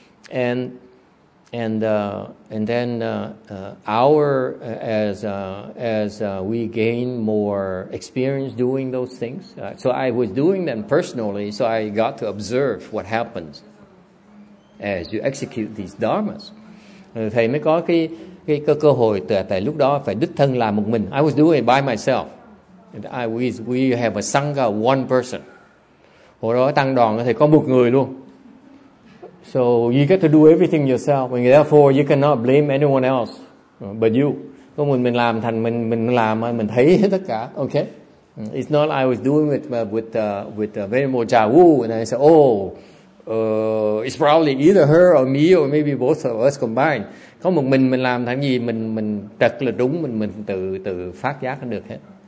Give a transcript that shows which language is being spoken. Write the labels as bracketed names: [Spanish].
[English] And then we gained more experience doing those things. So I was doing them personally, so I got to observe what happens as you execute these dharmas. [Vietnamese] Thầy mới có cái cơ hội tại lúc đó phải đích thân làm một mình. [English] I was doing it by myself. And I we have a sangha one person. [Vietnamese] Hồi đó tăng đoàn thì có một người luôn. [English] So you get to do everything yourself. And therefore you cannot blame anyone else but you. [Vietnamese] Có mình làm thành mình làm mình thấy hết tất cả. [English] Okay. It's not like I was doing it with Venerable Cha Wu, and I said, oh, it's probably either her or me or maybe both of us combined. [Vietnamese] Có một mình làm thành gì mình trật là đúng, mình tự phát giác được hết.